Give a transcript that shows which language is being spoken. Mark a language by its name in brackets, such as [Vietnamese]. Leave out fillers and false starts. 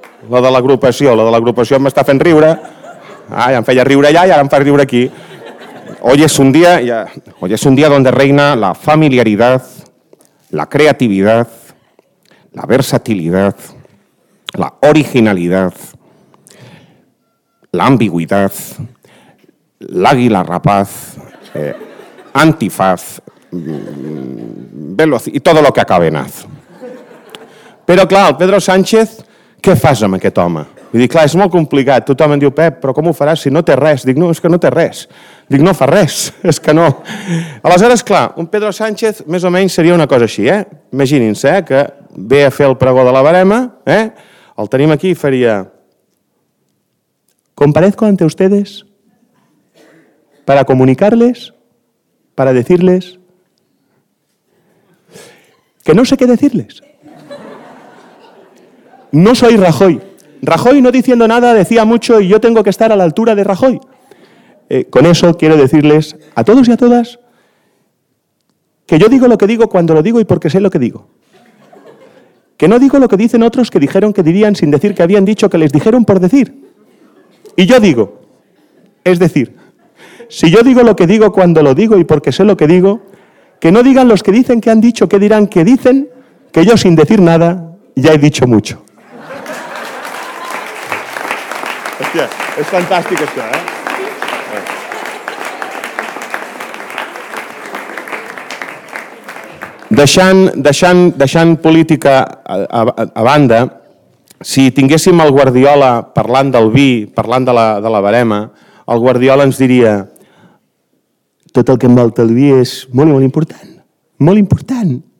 [Catalan] La de l'agrupació m'està fent riure. Ai, em feia riure allà i ara em fa riure aquí. [Spanish] Hoy es un día donde reina la familiaridad, la creatividad, la versatilidad, la originalidad, la ambigüedad, l'àguila rapaz, antifaz, veloz y todo lo que acabe en haz. [Catalan] Però clar, el Pedro Sánchez, què fas amb aquest home? I dic, clar, és molt complicat. Tothom em diu, Pep, però com ho faràs si no té res? Dic, no, és que no té res. Dic, no fa res, és que no. Aleshores, clar, un Pedro Sánchez més o menys seria una cosa així, eh? Imaginin-se, que ve a fer el pregó de la Verema, El tenim aquí i faria... [Spanish] Comparezco ante ustedes para comunicarles, para decirles que no sé qué decirles. No soy Rajoy. Rajoy, no diciendo nada, decía mucho y yo tengo que estar a la altura de Rajoy. Con eso quiero decirles a todos y a todas que yo digo lo que digo cuando lo digo y porque sé lo que digo. Que no digo lo que dicen otros que dijeron que dirían sin decir que habían dicho que les dijeron por decir. Y yo digo. Es decir, si yo digo lo que digo cuando lo digo y porque sé lo que digo, que no digan los que dicen que han dicho que dirán que dicen que yo sin decir nada ya he dicho mucho. [Catalan] Hòstia, és fantàstic això, eh? Deixant política a banda, si tinguéssim el Guardiola parlant del vi, parlant de la Verema, el Guardiola ens diria tot el que envolta el vi és molt i molt important. Molt important.